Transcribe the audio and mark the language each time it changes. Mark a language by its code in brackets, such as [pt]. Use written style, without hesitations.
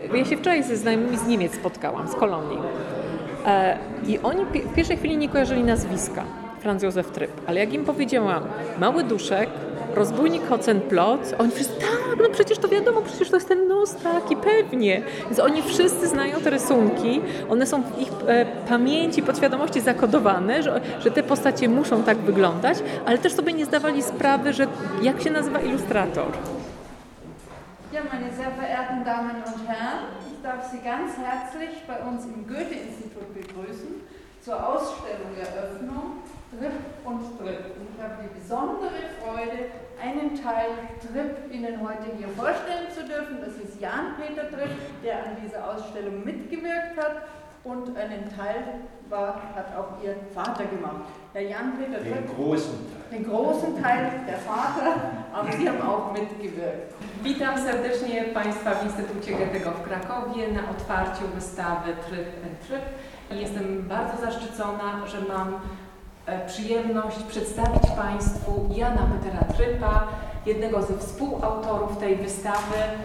[pl] bo ja się wczoraj ze znajomymi z Niemiec spotkałam, z Kolonii. I oni w pierwszej chwili nie kojarzyli nazwiska Franz Josef Tryb, ale jak im powiedziałam Mały Duszek, Rozbójnik Hotzenplotz, oni wszyscy, tak, no przecież to wiadomo, przecież to jest ten nos taki, pewnie. Więc oni wszyscy znają te rysunki, one są w ich pamięci, podświadomości zakodowane, że te postacie muszą tak wyglądać, ale też sobie nie zdawali sprawy, że jak się nazywa ilustrator. [de] Ja, meine sehr verehrten Damen und Herren, ich darf Sie ganz herzlich bei uns im Goethe-Institut begrüßen zur Ausstellung Eröffnung Tripp und Tripp. Und ich habe die besondere Freude, einen Teil Tripp Ihnen heute hier vorstellen zu dürfen. Das ist Jan-Peter Tripp, der an dieser Ausstellung mitgewirkt hat und einen Teil hat auch Ihr Vater gemacht. Der Jan-Peter Tripp. Den großen Teil. Den großen Teil der Vater, aber Sie haben auch mitgewirkt. [pl] Witam serdecznie Państwa w Instytucie Goethego w Krakowie na otwarciu wystawy Tryb and Tryb. Jestem bardzo zaszczycona, że mam przyjemność przedstawić Państwu Jana Petera Tryba, jednego ze współautorów tej wystawy.